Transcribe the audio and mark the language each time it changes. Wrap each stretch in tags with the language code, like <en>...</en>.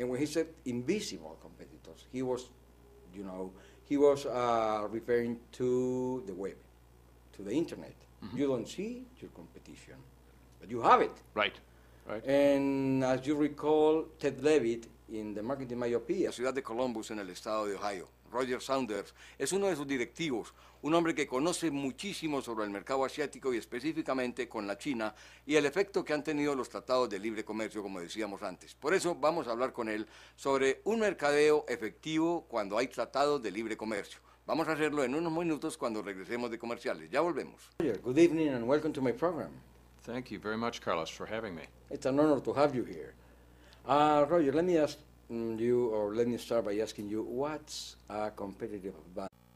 <en>And when he said invisible competitors, he was, you know, he was referring to the web, to the internet. Mm-hmm. You don't see your competition, but you have it. Right, right. And as you recall, Ted Levitt in the marketing myopia.</en> <es>La ciudad de Columbus en el estado de Ohio. Roger Saunders es uno de sus directivos, un hombre que conoce muchísimo sobre el mercado asiático y específicamente con la China y el efecto que han tenido los tratados de libre comercio, como decíamos antes. Por eso vamos a hablar con él sobre un mercadeo efectivo cuando hay tratados de libre comercio. Vamos a hacerlo en unos minutos cuando regresemos de comerciales. Ya volvemos.</es> <en>Roger, good evening and welcome to my program. Thank you very much, Carlos, for having me. It's an honor to have you here. Roger, let me ask you, or let me start by asking you, what's a competitive advantage?</en>